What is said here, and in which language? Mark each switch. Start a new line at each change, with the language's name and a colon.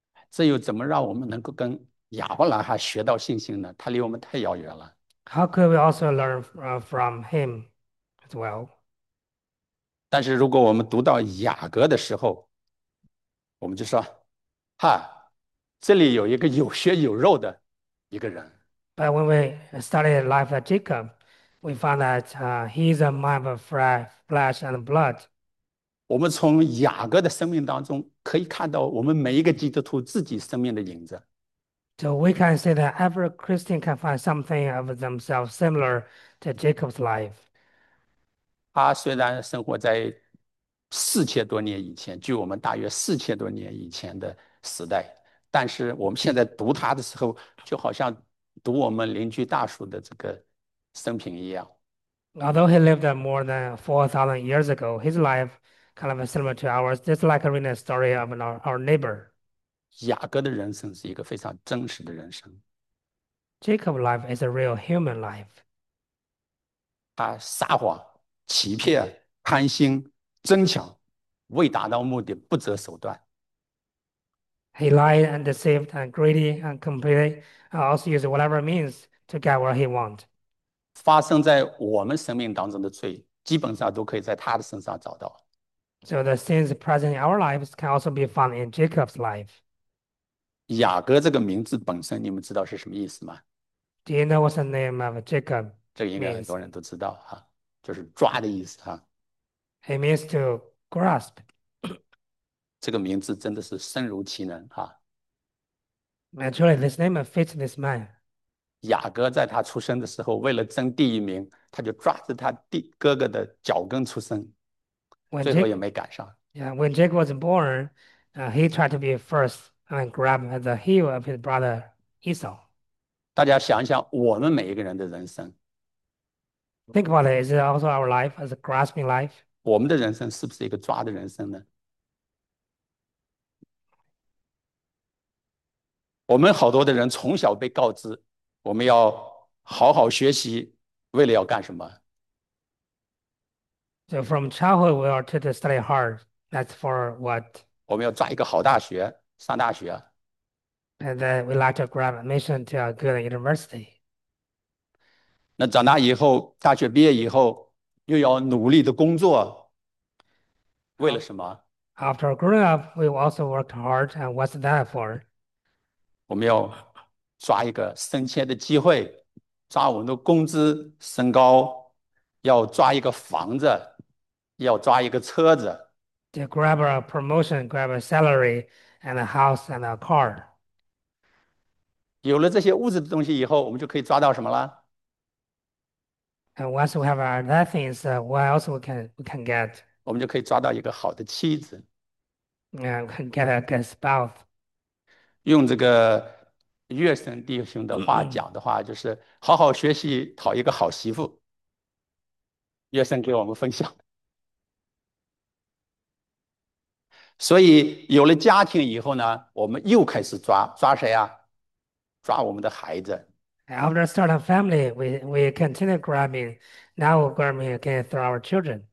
Chinese: 这又怎么让我们能够跟亚伯拉罕学到信心呢？他离我们太遥远了。
English: How could we also learn from him as well?
Chinese: 但是如果我们读到雅各的时候，我们就说，哈，这里有一个有血有肉的一个人。
English: But when we study the life of Jacob, we find that he is a man of flesh and blood.
Chinese: 我们从雅各的生命当中可以看到，我们每一个基督徒自己生命的影子。
English: So we can say that every Christian can find something of themselves similar to Jacob's life.
Chinese: 他虽然生活在4000多年以前，距我们大约4000多年以前的时代，但是我们现在读他的时候，就好像读我们邻居大叔的这个生平一样。
English: Although he lived more than 4,000 years ago, his life kind of similar to ours, just like a written story of our neighbor.
Chinese: 雅各的人生是一个非常真实的人生。
English: Jacob's life is a real human life.
Chinese: 他撒谎、欺骗、贪心、争抢，为达到目的不择手段。
English: He lied and deceived and greedy and completely also used whatever means to get what he want.
Chinese: 发生在我们生命当中的罪，基本上都可以在他的身上找到。
English: So the sins present in our lives can also be found in Jacob's life.
Chinese: 雅各这个名字本身，你们知道是什么意思吗？
English: Do you know what the name of Jacob
Chinese: 这个应该很多
English: means?
Chinese: 人都知道哈、啊，就是抓的意思哈、啊。
English: It means to grasp.
Chinese: 这个名字真的是身如其能哈、
English: Naturally, this name fits this man.
Chinese: 啊。雅各在他出生的时候，为了争第一名，他就抓着他弟哥哥的脚跟出生，最后也没赶上。
English: When Jacob was born, he tried to be first and grab at the heel of his brother Esau.
Chinese: 大家想一想，我们每一个人的人生，
English: Think about it, is it also our life as a grasping life?
Chinese: 我们的人生是不是一个抓的人生呢？我们好多的人从小被告知，我们要好好学习，为了要干什么？
English: So from childhood, we are taught to study hard. That's for what?
Chinese: 我们要抓一个好大学，上大学。
English: And then we like to grab admission to a good university.
Chinese: 那长大以后，大学毕业以后，又要努力的工作，为了什么？
English: After growing up, we also worked hard, and what's that for?
Chinese: 我们要抓一个升迁的机会，抓我们的工资升高，要抓一个房子，要抓一个车子。
English: To grab a promotion, grab a salary, and a house and a car.
Chinese: 有了这些物质的东西以后，我们就可以抓到什么了？
English: And once we have our other things, what else we can get?
Chinese: 我们就可以抓到一个好的妻子，
English: Yeah, we can get a good spouse.
Chinese: 用这个约瑟弟兄的话讲的话，就是好好学习，讨一个好媳妇。约瑟给我们分享，所以有了家庭以后呢，我们又开始抓，抓谁啊？抓我们的孩子。
English: After starting a family, we continue grabbing. Now we're grabbing again through our children.